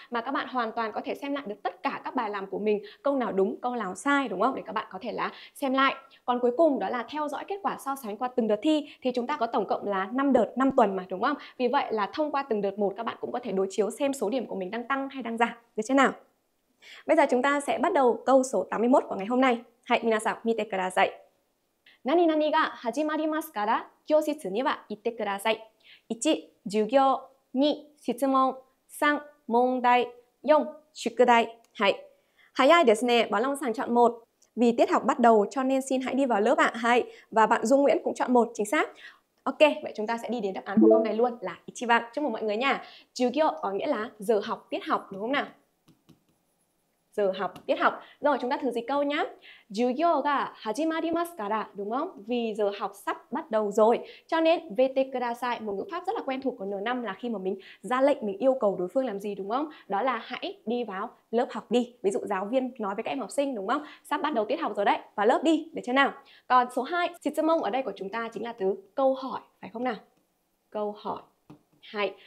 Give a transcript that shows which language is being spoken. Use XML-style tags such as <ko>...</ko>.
<vi>Mà các bạn hoàn toàn có thể xem lại được tất cả các bài làm của mình, câu nào đúng, câu nào sai đúng không? Để các bạn có thể là xem lại. Còn cuối cùng đó là theo dõi kết quả so sánh qua từng đợt thi, thì chúng ta có tổng cộng là 5 đợt, 5 tuần mà đúng không? Vì vậy là thông qua từng đợt một các bạn cũng có thể đối chiếu xem số điểm của mình đang tăng hay đang giảm như thế nào. Bây giờ chúng ta sẽ bắt đầu câu số 81 của ngày hôm nay.</vi> <ja>はい、皆さん見てください。何々が始まりますから、教室には行ってください。 1、授業。2、質問。3、問題。 4、宿題。はい。早いですね。バランさん、チャット1。</ja> <vi>Vì tiết học bắt đầu cho nên xin hãy đi vào lớp ạ.</vi> <ja>はい。</ja> <vi>và bạn Dung Nguyễn cũng chọn 1, chính xác。 Ok, vậy chúng ta sẽ đi đến đáp án của câu này luôn là 1番。Chúc mừng mọi người nha。授業có nghĩa là giờ học, tiết học, đúng không nào? giờ học, tiết học. Rồi chúng ta thử dịch câu nhé.</vi> <ja>授業が 始まります から, đúng không?</ja> <vi>Vì giờ học sắp bắt đầu rồi. Cho nên</vi> <ja>vete kudasai,</ja> <vi>một ngữ pháp rất là quen thuộc của N5 là khi mà mình ra lệnh, mình yêu cầu đối phương làm gì, đúng không? Đó là hãy đi vào lớp học đi. Ví dụ giáo viên nói với các em học sinh, đúng không? Sắp bắt đầu tiết học rồi đấy, vào lớp đi, được chưa nào? Còn số 2, 質問 ở đây của chúng ta chính là từ câu hỏi, phải không nào? Câu hỏi. Hay.</vi>